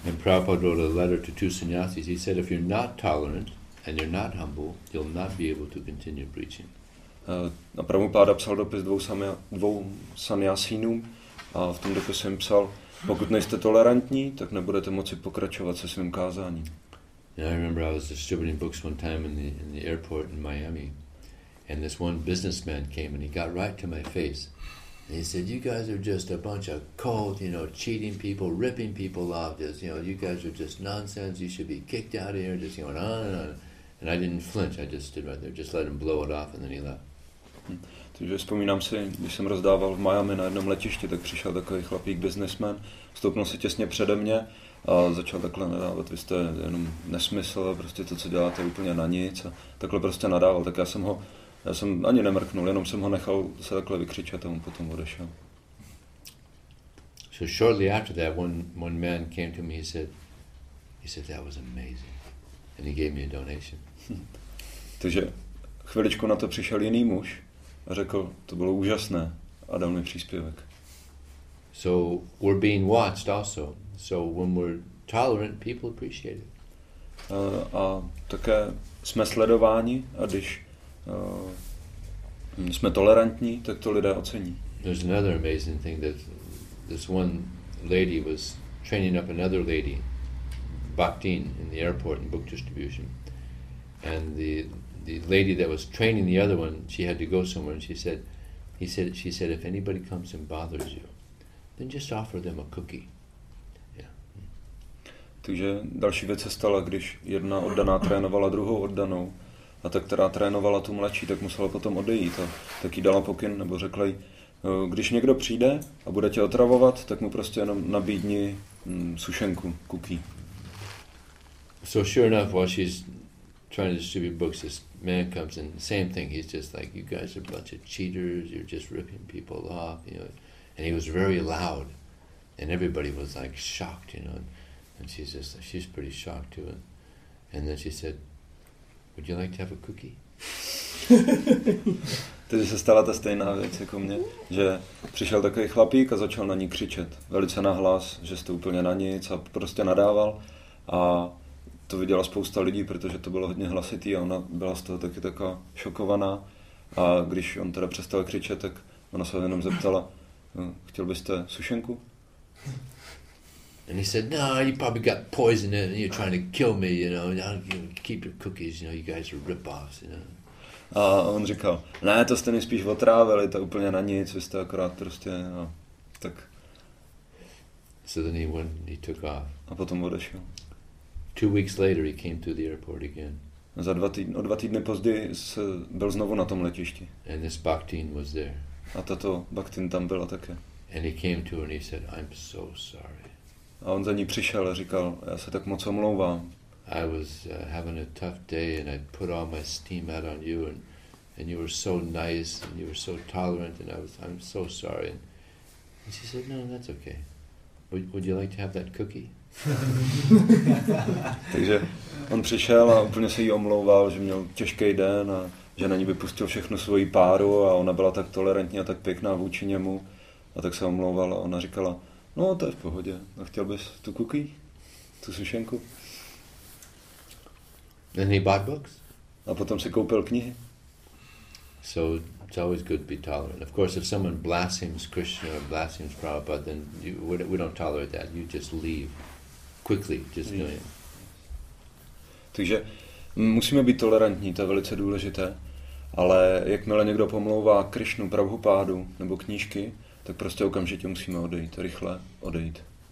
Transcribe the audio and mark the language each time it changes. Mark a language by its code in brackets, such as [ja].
[en] And Prabhupada wrote a letter to two sannyasis. He said, if you're not tolerant and you're not humble, you'll not be able to continue preaching. [cs] A Prabhupada psal dopis dvou sannyasinům a v tom dopise jim psal, pokud nejste tolerantní, tak nebudete moci pokračovat se svým kázáním. [en] And I remember I was distributing books one time in the airport in Miami, and this one businessman came and he got right to my face. And he said, "You guys are just a bunch of cult, you know, cheating people, ripping people off. Just, you know, you guys are just nonsense. You should be kicked out of here." Just going on and on. And I didn't flinch. I just stood right there, just let him blow it off, and then he left. [cs] Takže vzpomínám si, když jsem rozdával v Miami na jednom letišti, tak přišel takový chlapík, businessman, stoupnul se těsně přede mě a začal takhle nadávat, vy jste jenom nesmysl, prostě to, co děláte, je úplně na nic, a takhle prostě nadával, tak já jsem ani nemrknul, jenom jsem ho nechal se takhle vykřičet a on potom odešel. [en] So shortly after that, one man came to me, he said that was amazing, and he gave me a donation. [cs] Takže chviličku na to přišel jiný muž a řekl, to bylo úžasné, a dal mi příspěvek. [en] So we're being watched also. So when we're tolerant, people appreciate it. [cs] A také jsme sledováni, a když jsme tolerantní, tak to lidé ocení. [en] There's another amazing thing that this one lady was training up another lady, Bhaktin, in the airport in book distribution. And the lady that was training the other one, she had to go somewhere, and she said, if anybody comes and bothers you, then just offer them a cookie. Yeah. [cs] Takže další věc se stala, když jedna oddaná trénovala druhou oddanou, a ta, která trénovala tu mladší, tak musela potom odejít. A tak jí dala pokyn, nebo řekla jí, když někdo přijde a bude tě otravovat, tak mu prostě jenom nabídni sušenku, cookie. [en] So sure enough, while she's trying to distribute books, this man comes and the same thing, he's just like, you guys are a bunch of cheaters, you're just ripping people off, you know. And he was very loud, and everybody was like shocked, you know. And she's pretty shocked too. And then she said, would you like to have a cookie? [cs] Takže se stala ta stejná věc jako mě, že přišel takový chlapík a začal na ní křičet velice nahlas, že jste úplně na nic, a prostě nadával, a to viděla spousta lidí, protože to bylo hodně hlasitý, a ona byla z toho taky taková šokovaná, a když on teda přestal křičet, tak ona se jenom zeptala, chtěl byste sušenku? [en] And he said, no, you probably got poison in and you're trying to kill me, you know, keep your cookies, you know, you guys are rip-offs, you know. [cs] A on říkal, ne, to jste nejspíš otrávili, to úplně na nic, vy jste akorát prostě, no, tak. [en] So then he took off. [cs] A potom odešel. [en] 2 weeks later he came to the airport again. [cs] O dva týdny později byl znovu na tom letišti. [en] And this Bhaktin was there. [cs] A tato Bhaktin tam byla také. [en] And he came to her and he said, I'm so sorry. [cs] A on za ní přišel a říkal, já se tak moc omlouvám. [en] I was having a tough day and I put all my steam out on you and you were so nice and you were so tolerant and I'm so sorry. And she said, no, that's okay. Would you like to have that cookie? [cs] Takže on přišel a úplně se jí omlouval, že měl těžký den a že na ní vypustil všechnu svoji páru a ona byla tak tolerantní a tak pěkná vůči němu a tak se omlouval a ona říkala, no to je v pohodě, a chtěl bys tu cookie, tu sušenku? [en] Then he bought books. [cs] A potom si koupil knihy. [en] So it's always good to be tolerant. Of course, if someone blasphemes Krishna or blasphemes Prabhupada, then we don't tolerate that. You just leave quickly. Just leave. Yes. [cs] Takže musíme být tolerantní, to je velice důležité. Ale jakmile někdo pomlouvá Krishnu, Prabhupádu nebo knížky, tak prostě okamžitě musíme odejít, rychle odejít.